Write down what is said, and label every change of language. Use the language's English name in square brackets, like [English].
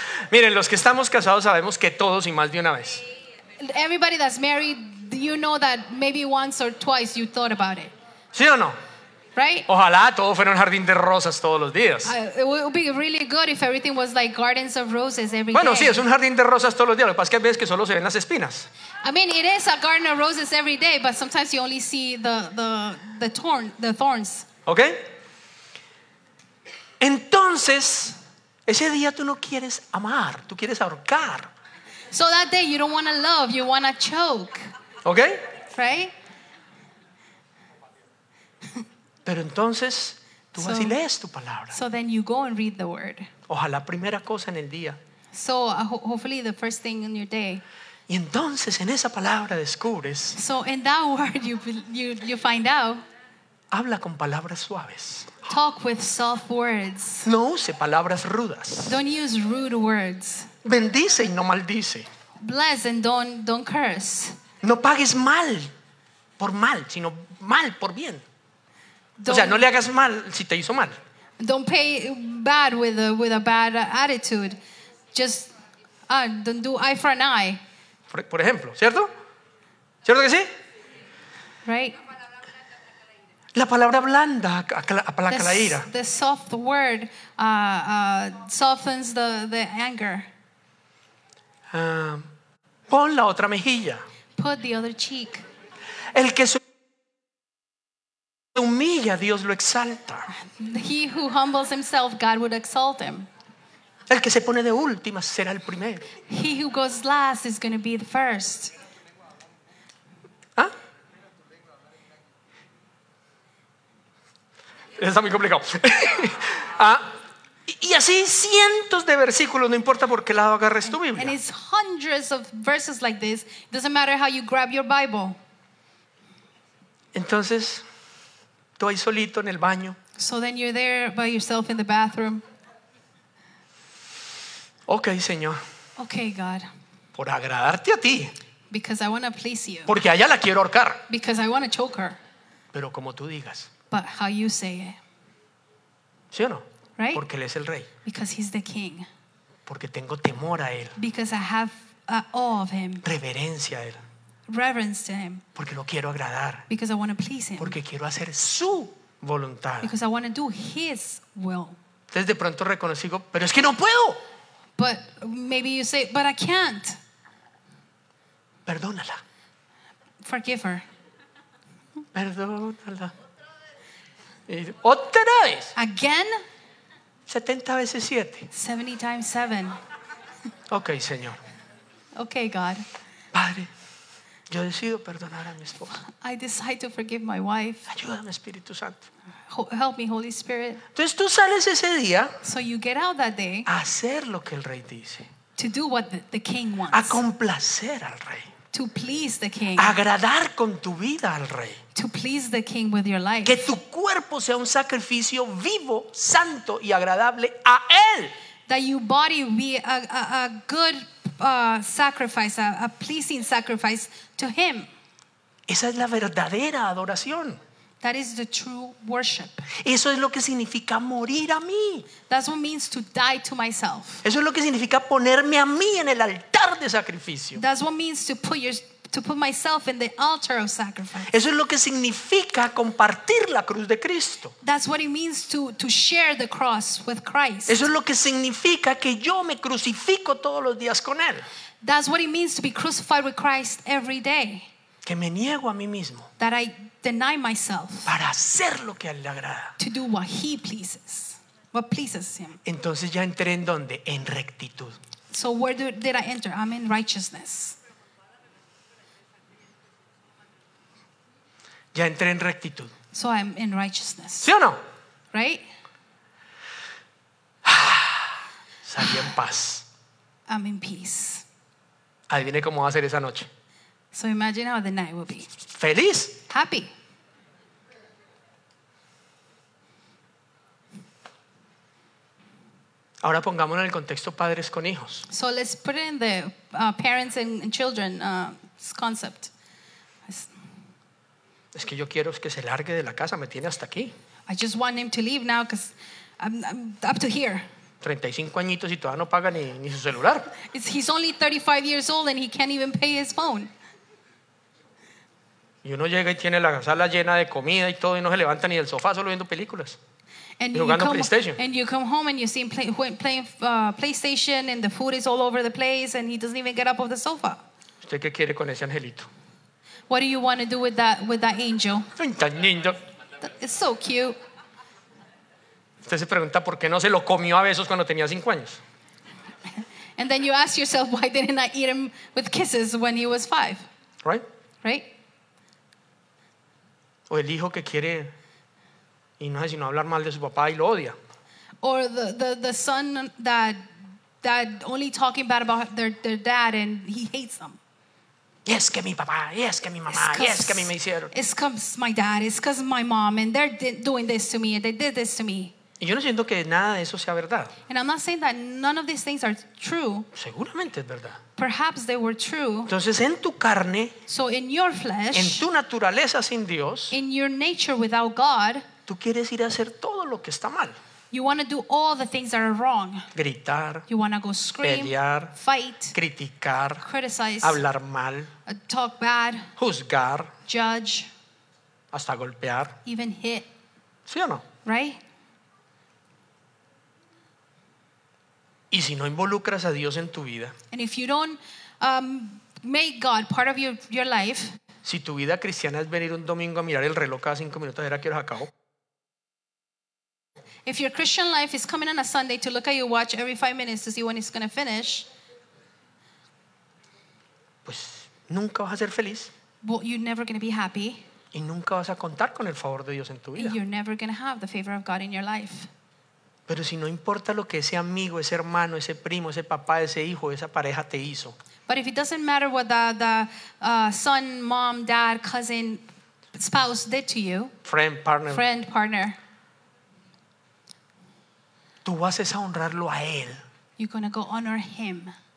[Spanish] Miren, los que estamos casados sabemos que todos y más de una vez. [English] Everybody that's married, you know that maybe once or twice you thought about it. [Spanish] ¿Sí o no? [English] Right? [Spanish] Ojalá todo fuera un jardín de rosas todos los días. [English] It would be really good if everything was like gardens of roses every [Spanish] bueno, [English] day. [Spanish] Bueno, sí, es un jardín de rosas todos los días. Lo que pasa es que hay veces que solo se ven las espinas. [English] I mean, it is a garden of roses every day, but sometimes you only see the thorns. Okay. [Spanish] Entonces, ese día tú no quieres amar, tú quieres ahorcar. [English] So that day you don't want to love, you want to choke. Okay. Right. [Spanish] Pero entonces tú vas y lees tu palabra. [English] So then you go and read the word. [Spanish] Ojalá primera cosa en el día. [English] So hopefully the first thing in your day. [Spanish] Y entonces en esa palabra descubres. [English] So in that word you find out. [Spanish] Habla con palabras suaves. [English] Talk with soft words. [Spanish] No use palabras rudas. [English] Don't use rude words. [Spanish] Bendice y no maldice. [English] Bless and don't curse. [Spanish] No pagues mal por mal, sino mal por bien. [English] Don't, [Spanish] o sea, no le hagas mal si te hizo mal. [English] Don't pay bad with a bad attitude. Just don't do eye for an eye. [Spanish] Por ejemplo, ¿cierto? ¿Cierto que sí? [English] Right. [Spanish] La palabra blanda aplaca la ira. [English] The soft word softens the anger. [Spanish] Pon la otra mejilla. [English] Put the other cheek. [Spanish] El que humilla, Dios lo exalta. [English] He who humbles himself, God would exalt him. [Spanish] El que se pone de última será el primero. [English] He who goes last is going to be the first. ¿Ah? [Spanish] Está muy complicado. ¿Ah? Y así cientos de versículos, no importa por qué lado agarres tu Biblia. [English] And it's hundreds of verses like this. It doesn't matter how you grab your Bible. [Spanish] Entonces, ahí solito en el baño. [English] So then you're there by yourself in the bathroom. [Spanish] Okay, Señor. [English] Okay, God. [Spanish] Por agradarte a ti. [English] Because I want to please you. [Spanish] Porque allá la quiero ahorcar. [English] Because I want to choke her. [Spanish] Pero como tú digas. [English] But how you say it. [Spanish] ¿Sí o no? [English] Right? [Spanish] Porque él es el rey. [English] Because he's the king. [Spanish] Porque tengo temor a él. [English] Because I have awe of him. [Spanish] Reverencia a él. [English] Reverence to him. [Spanish] Porque lo quiero agradar. [English] Because I want to please him. [Spanish] Porque quiero hacer su voluntad. [English] Because I want to do his will. [Spanish] Entonces de pronto reconozco, pero es que no puedo. [English] But maybe you say, but I can't. [Spanish] Perdónala. [English] Forgive her. [Spanish] Perdónala. Otra vez. [English] Again? [Spanish] 70 veces 7. [English] 70 times 7. [Spanish] Okay, Señor. [English] Okay, God. [Spanish] Padre, yo decido perdonar a mi esposa. [English] I decide to forgive my wife. [Spanish] Ayúdame, Espíritu Santo. [English] Help me, Holy Spirit. [Spanish] Entonces tú sales ese día. [English] So you get out that day. [Spanish] A hacer lo que el rey dice. [English] To do what the king wants. [Spanish] A complacer al rey. [English] To please the king. [Spanish] Agradar con tu vida al rey. [English] To please the king with your life. [Spanish] Que tu cuerpo sea un sacrificio vivo, santo y agradable a él. [English] That your body be a good sacrifice, a pleasing sacrifice to him. [Spanish] Esa es la verdadera adoración. [English] That is the true worship. [Spanish] Eso es lo que significa morir a mí. [English] That's what means to die to myself. [Spanish] Eso es lo que significa ponerme a mí en el altar de sacrificio. [English] That's what means to put your to put myself in the altar of sacrifice. [Spanish] Eso es lo que significa compartir la cruz de Cristo. [English] That's what it means to share the cross with Christ. [Spanish] Eso es lo que significa que yo me crucifico todos los días con él. [English] That's what it means to be crucified with Christ every day. [Spanish] Que me niego a mí mismo. [English] That I deny myself. [Spanish] Para hacer lo que a él le agrada. [English] To do what he pleases. What pleases him. [Spanish] Entonces ya entré en dónde? En rectitud. [English] So where did I enter? I'm in righteousness. [Spanish] Ya entré en rectitud. [English] So I'm in righteousness. [Spanish] ¿Sí o no? [English] Right? [Spanish] Salí en paz. [English] I'm in peace. [Spanish] Adivine cómo va a ser esa noche. [English] So imagine how the night will be. [Spanish] ¿Feliz? [English] Happy. [Spanish] Ahora pongámonos en el contexto padres con hijos. [English] So let's put it in the parents and children concept. [Spanish] Es que yo quiero que se largue de la casa, me tiene hasta aquí. [English] I just want him to leave now because I'm up to here. [Spanish] 35 añitos y todavía no paga ni su celular. [English] He's only 35 years old and he can't even pay his phone. [Spanish] Y uno llega y tiene la sala llena de comida y todo y no se levanta ni del sofá solo viendo películas. [English] And [Spanish] y jugando PlayStation. [English] And you come home and you see him playing PlayStation and the food is all over the place and he doesn't even get up off the sofa. [Spanish] ¿Usted qué quiere con ese angelito? [English] What do you want to do with that angel? [Spanish] Tan lindo. [English] It's so cute. [Spanish] Usted se pregunta por qué no se lo comió a besos cuando tenía 5 años. [English] And then you ask yourself why didn't I eat him with kisses when he was 5? Right? Right? [Spanish] O el hijo que quiere y no hace sino hablar mal de su papá y lo odia. [English] Or the son that only talking bad about their dad and he hates them. [Spanish] Yes, que mi papá, yes, que mi mamá, yes, que a mí me hicieron. [English] It's because my dad, it's because my mom, and they're doing this to me, and they did this to me. [Spanish] Y yo no siento que nada de eso sea verdad. [English] And I'm not saying that none of these things are true. [Spanish] Seguramente es verdad. [English] Perhaps they were true. [Spanish] Entonces, en tu carne, [English] so in your flesh, [Spanish] en tu naturaleza sin Dios, [English] in your nature without God, [Spanish] tú quieres ir a hacer todo lo que está mal. [English] You want to do all the things that are wrong. [Spanish] Gritar. [English] You want to go scream. [Spanish] Pelear. [English] Fight. [Spanish] Criticar. [English] Criticize. [Spanish] Hablar mal. [English] Talk bad. [Spanish] Juzgar. [English] Judge. [Spanish] Hasta golpear. [English] Even hit. [Spanish] ¿Sí o no? [English] Right? [Spanish] Y si no involucras a Dios en tu vida. [English] And if you don't make God part of your life. [Spanish] Si tu vida cristiana es venir un domingo a mirar el reloj cada 5 minutos, ¿será que los acabo? [English] If your Christian life is coming on a Sunday to look at your watch every 5 minutes to see when it's going to finish, [Spanish] pues nunca vas a ser feliz. [English] Well, you're never going to be happy. [Spanish] Y nunca vas a contar con el favor de Dios en tu vida. [English] You're never going to have the favor of God in your life. [Spanish] Pero si no importa lo que ese amigo, ese hermano, ese primo, ese papá, ese hijo, esa pareja te hizo. [English] But if it doesn't matter what the son, mom, dad, cousin, spouse did to you. Friend, partner. [Spanish] Tú vas a honrarlo a él. [English] You're going to go honor him.